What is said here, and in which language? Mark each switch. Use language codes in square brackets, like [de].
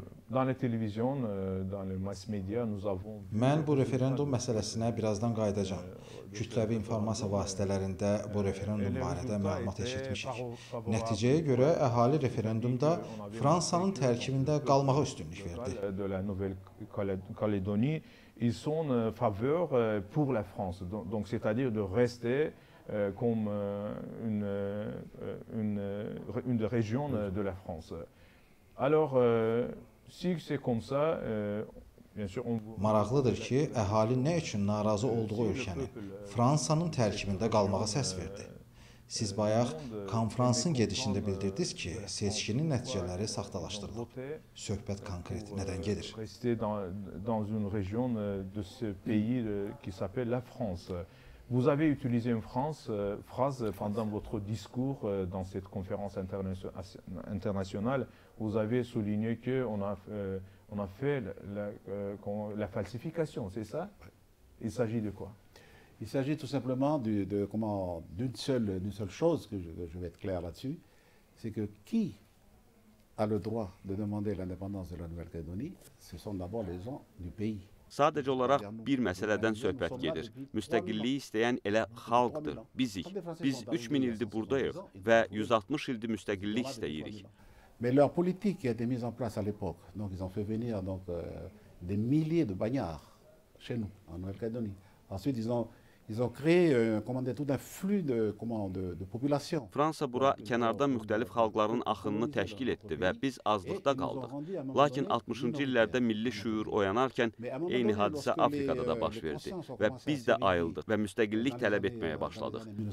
[fr] Dans la télévision, dans les mass media, nous avons. [az] Mən bu referendum məsələsinə birazdan qayıdacağam. Kütləvi informasiya vasitələrində bu referendum barədə məlumat eşitmişik. Nəticəyə görə əhali referendumda Fransanın tərkibində qalmağa üstünlük verdi. [fr] Kaledoni, ils sont faveur pour la France. Donc c'est-à-dire de rester comme une région de la France. Alors si c'est comme ça bien sûr [az] maraqlıdır ki əhali nə üçün narazı olduğu ölkəni Fransanın tərkibində qalmağa səs verdi. Siz bayaq konfransın gedişində bildirdiniz ki, seçkinin nəticələri saxtalaşdırılıb. Söhbət konkret nədən gedir? [fr] Dans une région de ce pays qui s'appelle la France. Vous avez utilisé une phrase pendant votre discours dans cette conférence internationale. Vous avez souligné que on a fait la falsification, c'est ça? Il s'agit de quoi? Il s'agit tout simplement d'une seule chose que je vais être clair là-dessus, c'est que qui a le droit de demander l'indépendance de la Nouvelle-Calédonie? Ce sont d'abord les gens du pays. [az] Sadəcə olaraq bir məsələdən söhbət gedir. Müstəqilliyi istəyən elə xalqdır, bizik. Biz 3000 ildir buradayıq və 160 ildir müstəqillik istəyirik. [fr] Mais leur politique a été mise en place à l'époque. Donc ils ont fait venir donc des milliers de bagnards chez nous en Nouvelle-Calédonie. Ensuite ils ont créé tout un flux de population. [az] Fransa bura kənarda müxtəlif xalqların axınını təşkil etdi və biz azlıqda qaldıq. Lakin 60-cı illərdə milli şüur oyanarkən eyni hadisə Afrikada da baş verdi və biz də ayıldıq və müstəqillik tələb etməyə başladıq.